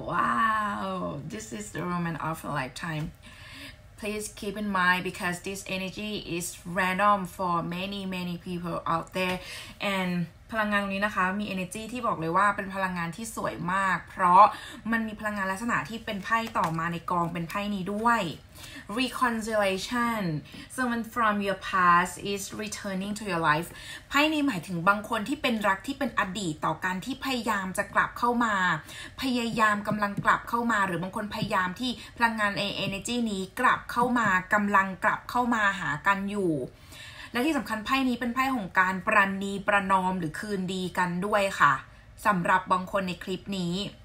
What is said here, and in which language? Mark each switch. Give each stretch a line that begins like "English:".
English: Wow, this is the romance of a lifetime. Please keep in mind because this energy is random for many many people out there.
Thai: And พลังงานตรงนี้นะคะมี energy ที่บอกเลยว่าเป็นพลังงานที่สวยมากเพราะมันมีพลังงานลักษณะที่เป็นไพ่ต่อมาในกองเป็นไพ่นี้ด้วย Reconciliation.
English: Someone from your past is returning to your life.
Thai: ไพ่นี้หมายถึงบางคนที่เป็นรักที่เป็นอดีตต่อการที่พยายามจะกลับเข้ามาพยายามกำลังกลับเข้ามาหรือบางคนพยายามที่พลังงาน energy นี้กลับเข้ามากำลังกลับเข้ามาหากันอยู่ และที่สำคัญไพ่นี้เป็นไพ่ของการประนีประนอมหรือคืนดีกันด้วยค่ะสำหรับบางคนในคลิปนี้